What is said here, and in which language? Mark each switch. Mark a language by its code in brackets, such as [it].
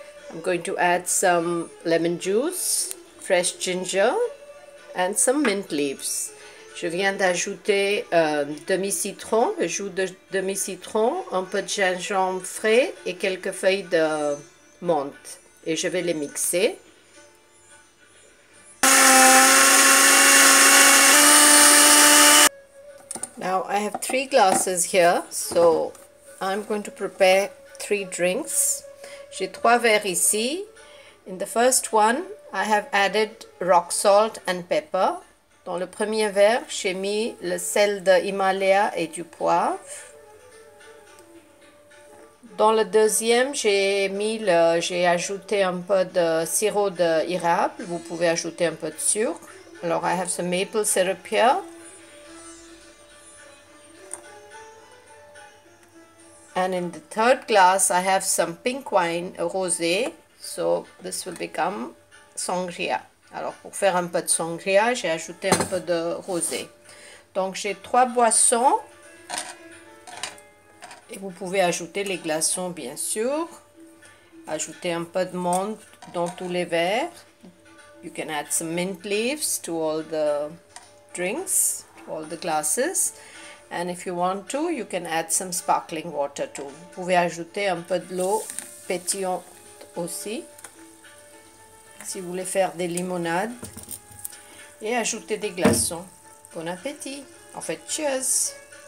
[en] I'm going to add some lemon juice, fresh ginger and some mint leaves. [fr] Je viens d'ajouter demi-citron, le jus de demi-citron, un peu de gingembre frais et quelques feuilles de menthe. Et je vais les mixer. [en] Now I have 3 glasses here, so I'm going to prepare 3 drinks. [fr] J'ai 3 verres ici. [en] In the first one, I have added rock salt and pepper. [fr] Dans le premier verre, j'ai mis le sel de Himalaya et du poivre. Dans le deuxième, j'ai ajouté un peu de sirop d'érable. Vous pouvez ajouter un peu de sucre. Alors, [en] I have some maple syrup here. And in the third glass, I have some pink wine, rosé. So, this will become sangria. [fr] Alors, pour faire un peu de sangria, j'ai ajouté un peu de rosé. Donc, j'ai 3 boissons. Et vous pouvez ajouter les glaçons, bien sûr. Ajouter un peu de menthe dans tous les verres. [en] You can add some mint leaves to all the drinks, to all the glasses. And if you want to, you can add some sparkling water too. [fr] Vous pouvez ajouter un peu de l'eau pétillante aussi. Si vous voulez faire des limonades et ajouter des glaçons. Bon appétit! En fait, cheers!